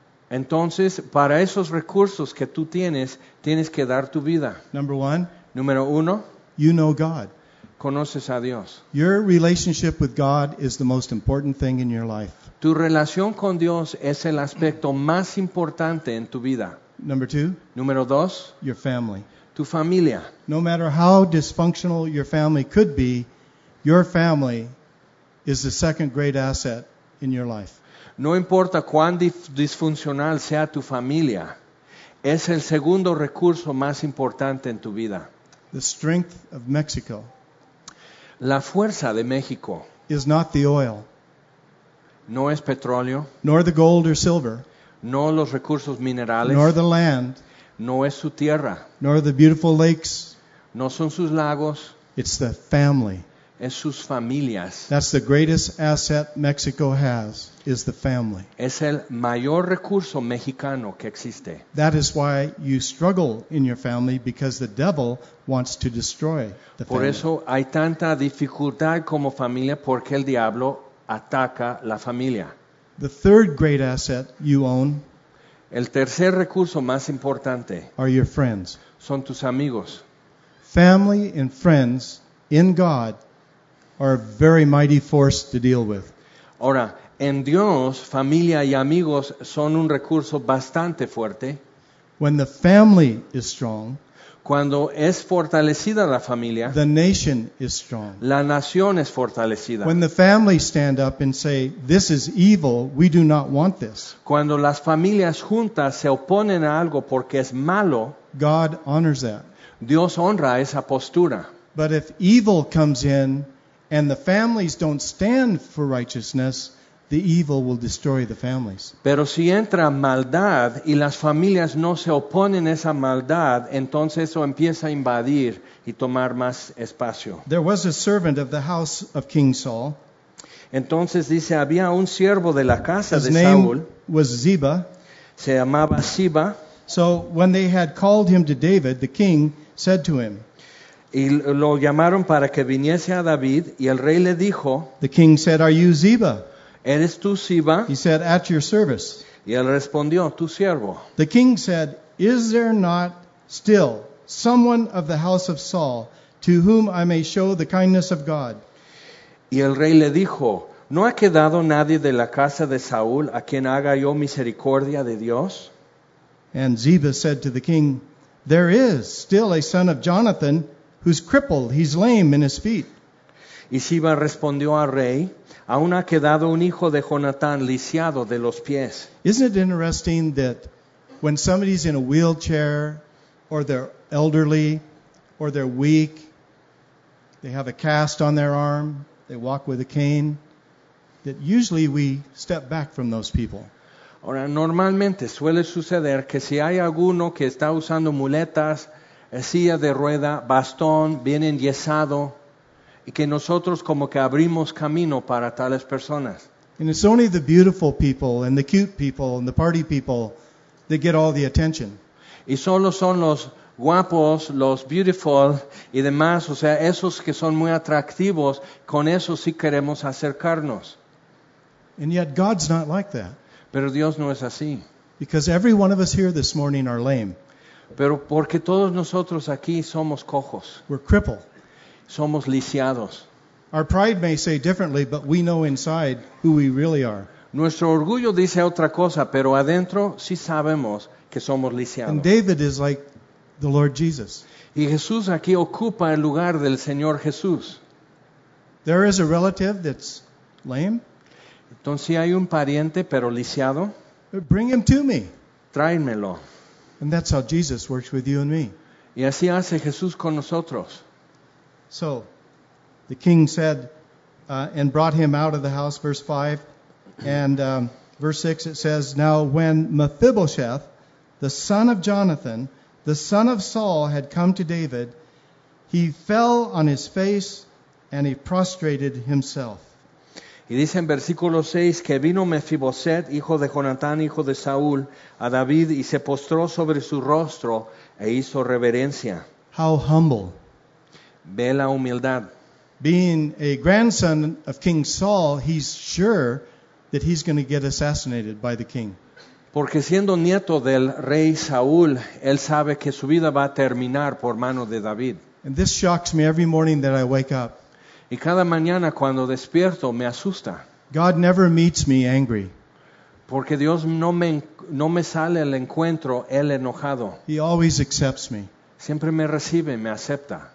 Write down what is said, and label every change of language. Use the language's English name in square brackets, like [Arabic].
[Spanish] Entonces, para esos recursos que tú tienes, tienes que dar tu vida. [English] Number one. [Spanish] Número uno. [English] You know God. [Spanish] Conoces a Dios. [English] Your relationship with God is the most important thing in your life. [Spanish] Tu relación con Dios es el aspecto más importante en tu vida. [English] Number two. [Spanish] Número dos. [English] Your family. [Spanish] Tu familia. [English] No matter how dysfunctional your family could be, your family is the second great asset in your life. [Spanish] No importa cuán disfuncional sea tu familia, es el segundo recurso más importante en tu vida. [English] The strength of Mexico. [Spanish] La fuerza de México. [English] Is not the oil. [Spanish] No es petróleo. [English] Nor the gold or silver. [Spanish] No los recursos minerales. [English] Nor the land. [Spanish] No es su tierra. [English] Nor the beautiful lakes. [Spanish] No son sus lagos. [English] It's the family. [Spanish] Es sus familias. [English] That's the greatest asset Mexico has, is the family. [Spanish] Es el mayor recurso mexicano que existe. [English] That is why you struggle in your family, because the devil wants to destroy the [Spanish] Por [English] family. [Spanish] Por eso hay tanta dificultad como familia, porque el diablo ataca la familia. [English] The third great asset you own, [Spanish] el tercer recurso más importante, [English] are your friends. [Spanish] Son tus amigos. [English] Family and friends in God are a very mighty force to deal with. [Spanish] Ahora, en Dios, familia y amigos son un recurso bastante fuerte. [English] When the family is strong, [Spanish] cuando es fortalecida la familia, [English] the nation is strong. [Spanish] La nación es fortalecida. [English] When the family stand up and say, this is evil, we do not want this. [Spanish] Cuando las familias juntas se oponen a algo porque es malo, [English] God honors that. [Spanish] Dios honra esa postura. [English] But if evil comes in and the families don't stand for righteousness, the evil will destroy the families. [Spanish] Pero si entra maldad y las familias no se oponen a esa maldad, entonces eso empieza a invadir y tomar más espacio. [English] There was a servant of the house of King Saul. [Spanish] Entonces dice, había un siervo de la casa [English] His [Spanish] de Saúl. [English] His name was Ziba. [Spanish] Se llamaba Ziba. [English] So when they had called him to David, the king said to him, [Spanish] y lo llamaron para que viniese a David, y el rey le dijo, [English] the king said, are you Ziba? [Spanish] ¿Eres tú Ziba? [English] He said, at your service. [Spanish] Y él respondió, tu siervo. [English] The king said, is there not still someone of the house of Saul to whom I may show the kindness of God? [Spanish] Y el rey le dijo, ¿no ha quedado nadie de la casa de Saúl a quien haga yo misericordia de Dios? [English] And Ziba said to the king, there is still a son of Jonathan who's crippled, he's lame in his feet. [Spanish] Y Siba respondió al rey, aún ha quedado un hijo de Jonatán lisiado de los pies. [English] Isn't it interesting that when somebody's in a wheelchair, or they're elderly, or they're weak, they have a cast on their arm, they walk with a cane, that usually we step back from those people. [Spanish] Ahora, normalmente suele suceder que si hay alguno que está usando muletas, silla de rueda, bastón, bien enyesado, y que nosotros como que abrimos camino para tales personas. [English] And it's only the beautiful people and the cute people and the party people that get all the attention. [Spanish] Y solo son los guapos, los beautiful y demás, o sea, esos que son muy atractivos, con esos sí queremos acercarnos. [English] And yet God's not like that. [Spanish] Pero Dios no es así. [English] Because every one of us here this morning are lame. [Spanish] Pero porque todos nosotros aquí somos cojos. [English] We're crippled. [Spanish] Somos lisiados. [English] Our pride may say differently, but we know inside who we really are. [Spanish] Nuestro orgullo dice otra cosa, pero adentro sí sabemos que somos lisiados. [English] And David is like the Lord Jesus. [Spanish] Y Jesús aquí ocupa el lugar del Señor Jesús. [English] There is a relative that's lame. [Spanish] Entonces hay un pariente pero lisiado. [English] Bring him to me. [Spanish] Tráemelo. [English] And that's how Jesus works with you and me. [Spanish] Y así hace Jesús con nosotros. [English] So, the king said, and brought him out of the house, verse 5. And verse 6 it says, now when Mephibosheth, the son of Jonathan, the son of Saul, had come to David, he fell on his face and he prostrated himself. [Spanish] Y dice en versículo 6 que vino Mefiboset, hijo de Jonatán, hijo de Saúl, a David y se postró sobre su rostro e hizo reverencia. [English] How humble. [Spanish] Ve la humildad. [English] Being a grandson of King Saul, he's sure that he's going to get assassinated by the king. [Spanish] Porque siendo nieto del rey Saúl, él sabe que su vida va a terminar por mano de David. [English] And this shocks me every morning that I wake up. [Spanish] Y cada mañana cuando despierto me asusta. [English] God never meets me angry. [Spanish] Porque Dios no me sale al encuentro él enojado. [English] He always accepts me. [Spanish] Siempre me recibe, me acepta.